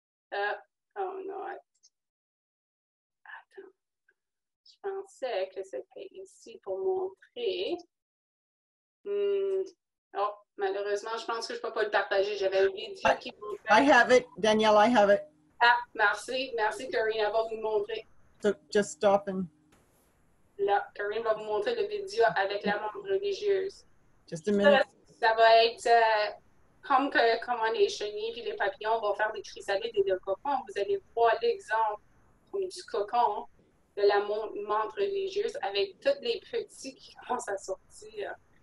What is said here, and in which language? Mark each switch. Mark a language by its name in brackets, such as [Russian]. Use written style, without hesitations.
[French] Ah! Oh non! Attends. Je pensais que c'était ici pour montrer. Oh! Malheureusement, je pense que je peux pas le partager. J'avais une vidéo qui montrait. [English] I have it, Danielle, I have it. [French] Ah! Merci. Merci, Karine, d'avoir vous montré. [English] So just stop and. [French] Là, Karine va vous montrer la vidéo avec la montre religieuse. [English] Just a minute. [French] Ça va être comme les chenilles et les papillons vont faire des chrysalides et des cocons. Vous allez voir l'exemple du cocon de la montre religieuse avec tous les petits qui commencent à sortir.